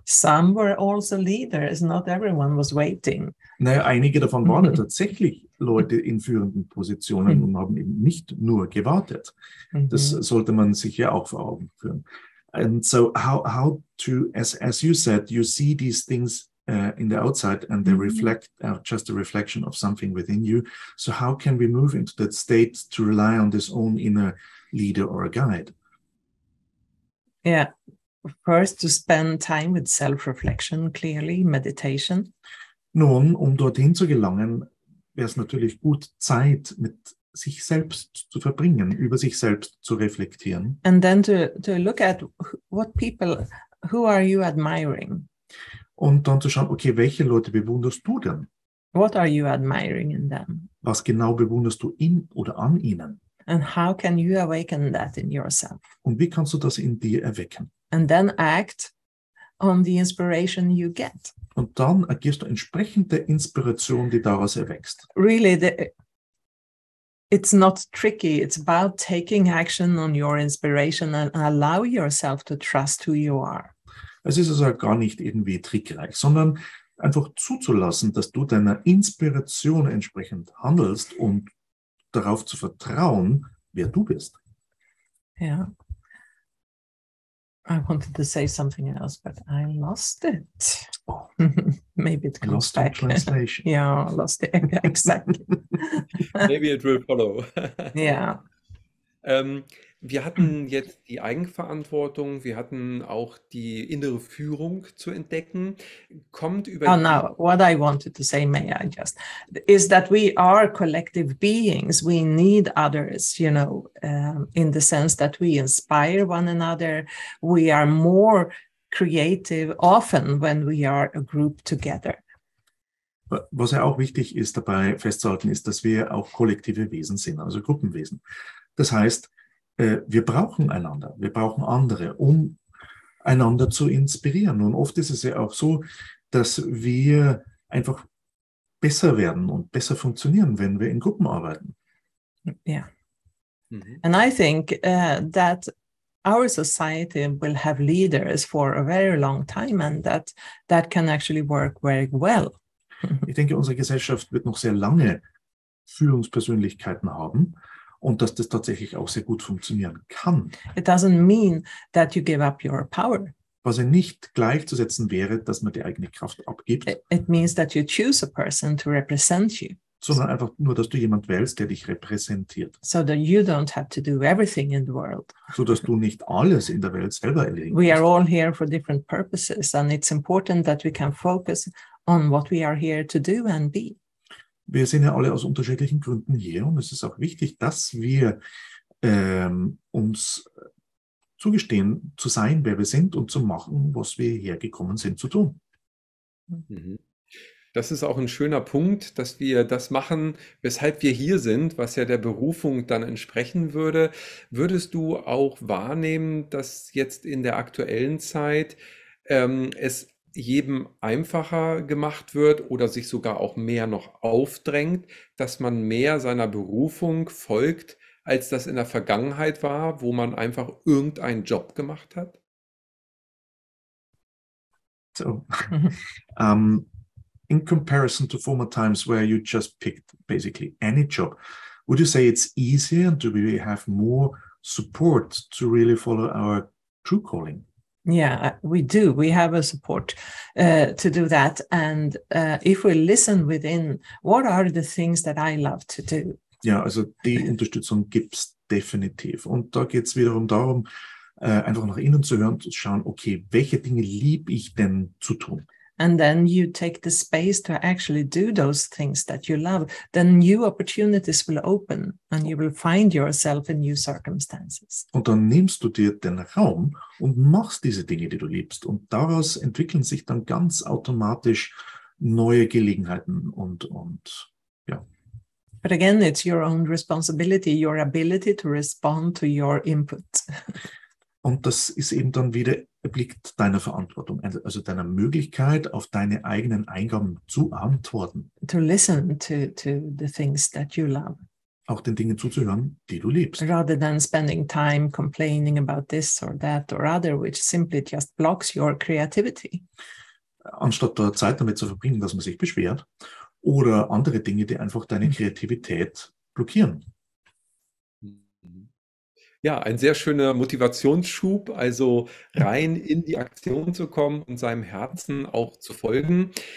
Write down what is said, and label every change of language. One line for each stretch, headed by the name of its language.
English: Some were also leaders, not everyone was waiting.
German: Naja, einige davon waren tatsächlich Leute in führenden Positionen und haben eben nicht nur gewartet. Das sollte man sich ja auch vor Augen führen.
English: And so how to, as you said, you see these things in the outside and they reflect just a reflection of something within you. So how can we move into that state to rely on this own inner leader or a guide? Yeah, first to spend time with self-reflection, clearly, meditation.
German: Nun, um dorthin zu gelangen, wäre es natürlich gut, Zeit mit sich selbst zu verbringen, über sich selbst zu reflektieren.
English: And then to look at what people, who are you admiring?
German: Und dann zu schauen, okay, welche Leute bewunderst du denn?
English: What are you admiring in them?
German: Was genau bewunderst du in oder an ihnen?
English: And how can you awaken that in yourself?
German: Und wie kannst du das in dir erwecken?
English: And then act on the inspiration you get.
German: Und dann agierst du entsprechend der Inspiration, die daraus erwächst.
English: Really, it's not tricky. It's about taking action on your inspiration and allow yourself to trust who you are.
German: Es ist also gar nicht irgendwie trickreich, sondern einfach zuzulassen, dass du deiner Inspiration entsprechend handelst und darauf zu vertrauen, wer du bist. Ja.
English: I wanted to say something else, but I lost it. Oh. Maybe it comes lost back. Lost in translation. Yeah, lost it. Exactly. Maybe it will follow. Yeah.
German: Wir hatten jetzt die Eigenverantwortung, wir hatten auch die innere Führung zu entdecken. Kommt über.
English: Oh, now, what I wanted to say, may I just, is that we are collective beings. We need others, you know, in the sense that we inspire one another. We are more creative often when we are a group together.
German: Was ja auch wichtig ist, dabei festzuhalten, ist, dass wir auch kollektive Wesen sind, also Gruppenwesen. Das heißt, wir brauchen einander, wir brauchen andere, um einander zu inspirieren. Und oft ist es ja auch so, dass wir einfach besser werden und besser funktionieren, wenn wir in Gruppen arbeiten.
English: Yeah. Mm-hmm. And I think that our society will have leaders for a very long time and that can actually work very well.
German: Ich denke, unsere Gesellschaft wird noch sehr lange Führungspersönlichkeiten haben. Und dass das tatsächlich auch sehr gut funktionieren kann.
English: It doesn't mean that you give up your power.
German: Was ja nicht gleichzusetzen wäre, dass man die eigene Kraft abgibt.
English: It means that you choose a person to represent you.
German: Sondern einfach nur, dass du jemand wählst, der dich repräsentiert.
English: So that you don't have to do everything in the world.
German: So dass du nicht alles in der Welt selber erledigen musst.
English: We are all here for different purposes and it's important that we can focus on what we are here to do and be.
German: wir sind ja alle aus unterschiedlichen Gründen hier und es ist auch wichtig, dass wir uns zugestehen, zu sein, wer wir sind und zu machen, was wir hergekommen sind zu tun. Das ist auch ein schöner Punkt, dass wir das machen, weshalb wir hier sind, was ja der Berufung dann entsprechen würde. Würdest du auch wahrnehmen, dass jetzt in der aktuellen Zeit es jedem einfacher gemacht wird oder sich sogar auch mehr noch aufdrängt, dass man mehr seiner Berufung folgt, als das in der Vergangenheit war, wo man einfach irgendeinen Job gemacht hat?
English: So, in comparison to former times where you just picked basically any job, would you say it's easier and do we have more support to really follow our true calling? Yeah, we do. We have a support to do that. And if we listen within, what are the things that I love to do?
German: Ja, also die Unterstützung gibt es definitiv. Und da geht es wiederum darum, einfach nach innen zu hören, zu schauen, okay, welche Dinge liebe ich denn zu tun?
English: And then you take the space to actually do those things that you love. Then new opportunities will open and you will find yourself in new circumstances.
German: Und dann nimmst du dir den Raum und machst diese Dinge, die du liebst. Und daraus entwickeln sich dann ganz automatisch neue Gelegenheiten und ja.
English: But again, it's your own responsibility, your ability to respond to your input.
German: Und das ist eben dann wieder obliegt deiner Verantwortung, also deiner Möglichkeit, auf deine eigenen Eingaben zu antworten.
English: To listen to the things that you love.
German: Auch den Dingen zuzuhören, die du liebst.
English: Rather than spending time complaining about this or that or other, which simply just blocks your creativity.
German: Anstatt da Zeit damit zu verbringen, dass man sich beschwert. Oder andere Dinge, die einfach deine Kreativität blockieren. Ja, ein sehr schöner Motivationsschub, also rein in die Aktion zu kommen und seinem Herzen auch zu folgen.